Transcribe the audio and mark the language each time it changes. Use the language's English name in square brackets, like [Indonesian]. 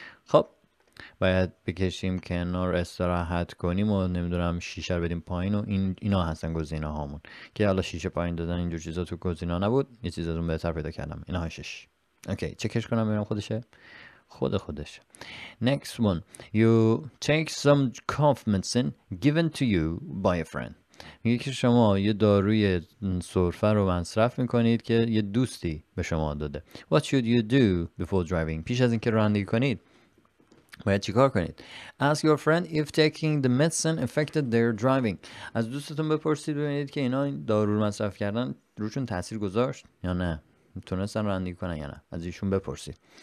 [Persian] خب باید بکشیم کنار، استراحت کنیم و نمیدونم شیشه رو بدیم پایین و اینا هستن گزینه هامون. که حالا شیشه پایین دادن اینجور چیزا تو گزینه نبود، یه چیز از اون بهتر پیدا کردم. اینا هشش. اوکی، چکش کنم ببینم خودشه. خودشه. [English] Next one. You take some cough medicine given to you by a friend. [Persian] میگه که شما یه داروی سرفه رو مصرف میکنید که یه دوستی به شما داده. [English] What should you do before driving? [Persian] پیش از اینکه رانندگی کنید باید چی کار کنید؟ [English] Ask your friend if taking the medicine affected their driving. [Persian] از دوستتون بپرسید ببینید که اینا دارو رو مصرف کردن روشون تأثیر گذاشت یا نه، تونستن رانندگی کنن یا نه، از ایشون بپرسید.